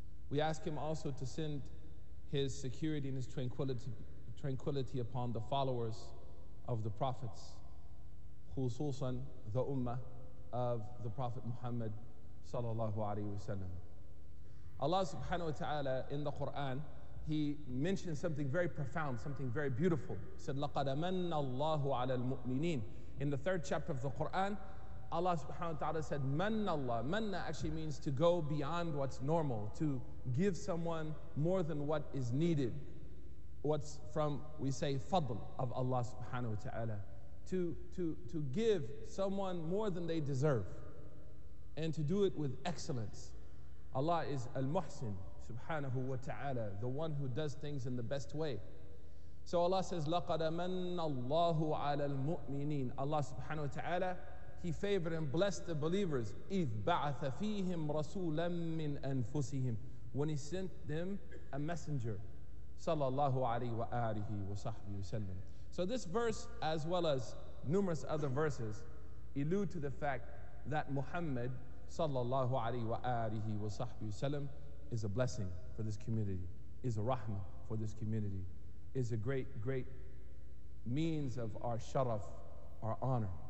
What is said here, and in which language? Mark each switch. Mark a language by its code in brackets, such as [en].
[en] We ask him also to send his security and his tranquility upon the followers of the prophets, khususan the ummah of the Prophet Muhammad sallallahu alaihi wasallam. Allah subhanahu wa ta'ala in the Quran, He mentioned something very profound, something very beautiful. He said, [ar] لَقَدْ مَنَّ اللَّهُ عَلَى الْمُؤْمِنِينَ. [en] In the third chapter of the Quran, Allah subhanahu wa ta'ala said, [ar] مَنَّ اللَّهُ. [en] مَنَّ actually means to go beyond what's normal, to give someone more than what is needed. What's from, we say, fadl of Allah subhanahu wa ta'ala. To give someone more than they deserve, and to do it with excellence. Allah is al-Muhsin, subhanahu wa ta'ala, the one who does things in the best way. So Allah says, [ar] لَقَدَ مَنَّ اللَّهُ عَلَى الْمُؤْمِنِينَ. [en] Allah subhanahu wa ta'ala, He favored and blessed the believers, [ar] إِذْ بَعَثَ فِيهِمْ رَسُولًا مِّنْ أَنفُسِهِمْ, [en] when He sent them a messenger, sallallahu alayhi wa alihi wa sahbihi wa sallam. So this verse, as well as numerous other verses, allude to the fact that Muhammad sallallahu alayhi wa alihi wa sahbihi wa sallam is a blessing for this community, is a rahmah for this community, is a great, great means of our sharaf, our honor.